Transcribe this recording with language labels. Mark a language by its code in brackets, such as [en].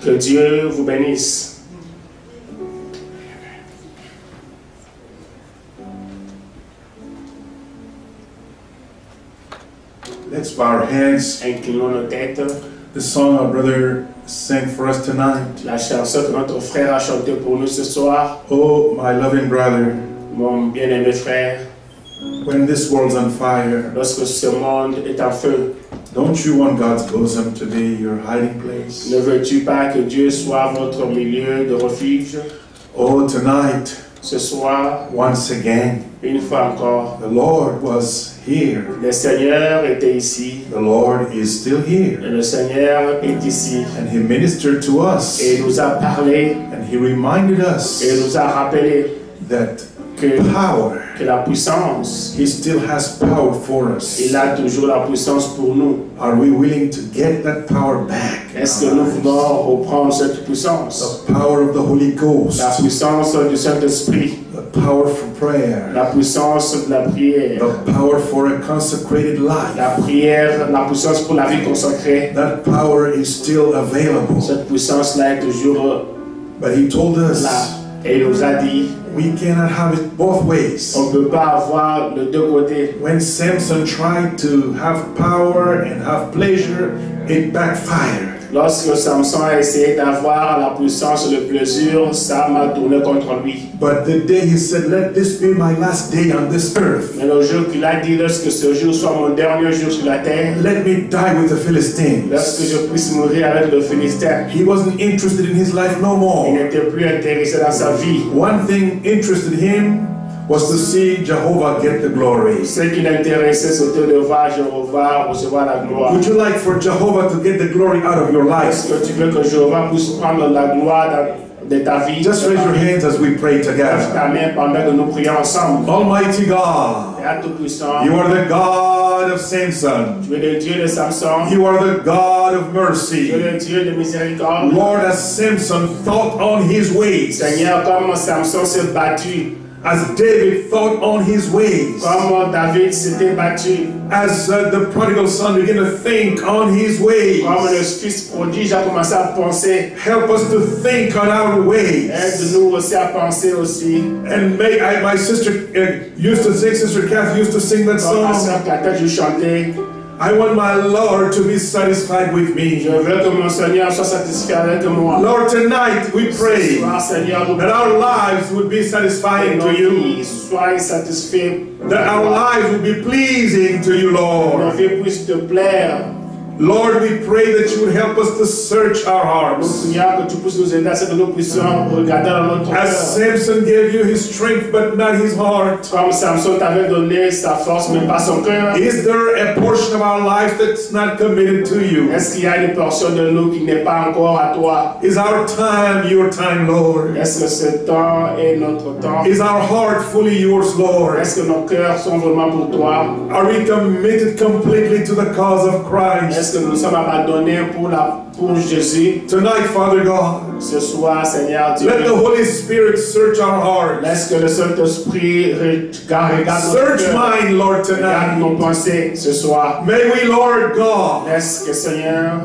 [fr] Que Dieu vous bénisse. [en] Let's bow our hands. [fr] Inclinons nos têtes. [en] The song our brother sang for us tonight. [fr] La chanson que notre frère a chanté pour nous ce soir. [en] Oh, my loving brother. [fr] Mon bien-aimé frère. [en] When this world's on fire. [fr] Lorsque ce monde est en feu. [en] Don't you want God's bosom to be your hiding place? [fr] Ne veux-tu pas que Dieu soit votre milieu de refuge? [en] Oh, tonight. [fr] Ce soir. [en] Once again. [fr] Une fois encore. [en] The Lord was here. [fr] Le Seigneur était ici. [en] The Lord is still here. [fr] Et le Seigneur est ici. [en] And he ministered to us. [fr] Et nous a parlé. [en] And he reminded us. [fr] Et nous a rappelé. [en] That power. [fr] Que la puissance. [en] He still has power for us. [fr] Il a toujours la puissance pour nous. [en] Are we willing to get that power back? [fr] Est-ce que nous voulons reprendre cette puissance? [en] The power of the Holy Ghost. [fr] La puissance du Saint-Esprit. [en] The power for prayer. [fr] La puissance de la prière. [en] The power for a consecrated life. [fr] La prière, la puissance pour la vie consacrée. [en] That power is still available. [fr] Cette puissance-là est toujours là. [en] But he told us. [fr] Et il nous a dit. [en] We cannot have it both ways. [fr] On ne peut pas avoir le deux côtés. [en] When Samson tried to have power and have pleasure, it backfired. [fr] Lorsque Samson a essayé d'avoir la puissance et le plaisir, ça m'a tourné contre lui. [en] But the day he said, "Let this be my last day on this earth." [fr] Mais le jour qu'il a dit, lorsque ce jour soit mon dernier jour sur la terre, [en] "Let me die with the Philistines." [fr] Lorsque je puisse mourir avec le Philistin. [en] He wasn't interested in his life no more. [fr] Il n'était plus intéressé dans sa vie. [en] One thing interested him was to see Jehovah get the glory. [fr] Ce qui l'intéressait, c'était de voir Jehovah recevoir la gloire. [en] Would you like for Jehovah to get the glory out of your life? [fr] Est-ce que tu veux que Jehovah puisse prendre la gloire de ta vie? [en] Just raise your hands as we pray together. [fr] Lève ta main pendant que nous prions ensemble. [en] Almighty God. [fr] Tout-Puissant. [en] You are the God of Samson. [fr] Tu es le Dieu de Samson. [en] You are the God of mercy. [fr] Tu es le Dieu de miséricorde. [en] Lord, as Samson thought on his ways. [fr] Seigneur, comme Samson s'est battu. [en] As David thought on his ways. [fr] Comme David s'était battu. [en] As the prodigal son began to think on his ways. [fr] Comme le fils prodige a commencé à penser. [en] Help us to think on our ways. [fr] Aide-nous aussi à penser aussi. [en] And my sister Kathy used to sing that song. [fr] Comme ma sœur Kathy, je chantais. [en] I want my Lord to be satisfied with me. [fr] Je veux que mon Seigneur soit satisfait avec moi. [en] Lord, tonight we pray [fr] soir, Seigneur, [en] that our lives would be satisfying to you. [fr] Soit satisfait. [en] That our lives would be pleasing to you, Lord. [fr] Que nos vies puissent te plaire. [en] Lord, we pray that you would help us to search our hearts. As Samson gave you his strength, but not his heart. [fr] Comme Samson t'avait donné sa force, mais pas son cœur. [en] Is there a portion of our life that's not committed to you? [fr] Est-ce qu'il y a une portion de nous qui n'est pas encore à toi? [en] Is our time your time, Lord? [fr] Est-ce que ce temps est notre temps? [en] Is our heart fully yours, Lord? [fr] Est-ce que nos cœurs sont vraiment pour toi? [en] Are we committed completely to the cause of Christ? [fr] Est-ce que nous sommes abandonnés pour Jésus? [en] Tonight, Father God, [fr] ce soir, Seigneur Dieu, [en] let the Holy Spirit search our hearts. [fr] Laisse que le Saint-Esprit regarde nos cœurs. [en] Search mine, Lord, tonight. [fr] Regarde nos pensées ce soir. [en] May we, Lord God, [fr] laisse que Seigneur,